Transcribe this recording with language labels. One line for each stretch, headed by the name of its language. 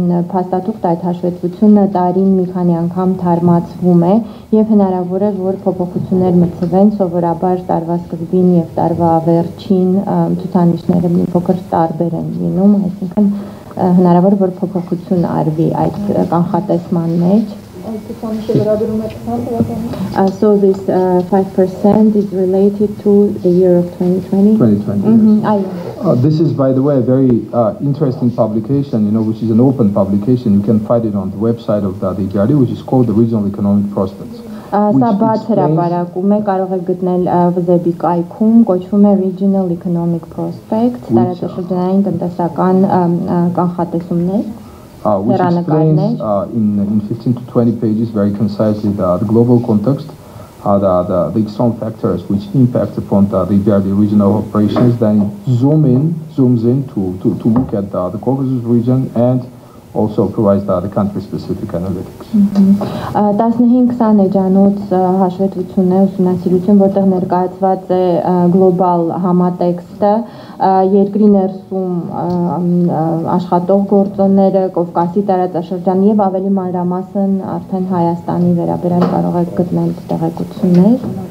Armenian: փաստաթուղթ, այդ հաշվետվությունը տարին մի քանի անգամ թարմացվում է, և հնարավոր է, որ փոփոխություններ մտցվեն, սովորաբար տարվա սկզբին և տարվա վերջին ցուցանիշները մի փոքր տարբեր են լինում, այսինքն հնարավոր է, որ փոփոխություն արվի այդ կանխատեսման մեջ։
English: So this 5% is related to the year of 2020? 2020, yes. This is, by the way, a very interesting publication, you know, which is an open publication. You can find it on the website of the EBRD, which is called the Regional Economic Prospects.
Armenian: Սա բաց հրապարակում է, կարող է գտնել ՎԶԵԲ-ի կայքում, կոչվում է Regional Economic Prospect, տարածաշրջանային տնտեսական կանխատեսումներ։
English: Which explains in 15 to 20 pages very concisely the global context, the external factors which impact upon the EBRD regional operations, then zooms in to look at the Caucasus region and also provides the country-specific analytics.
Armenian: 15-20 էջանոց հաշվետվություն է, ուսումնասիրություն, որտեղ ներկայացված է գլոբալ համատեքստը, երկրի ներսում աշխատող գործոնները, Կովկասի տարածաշրջան և ավելի մանրամասն արդեն Հայաստանի վերաբերյալ կարող եք գտնել տեղեկություններ։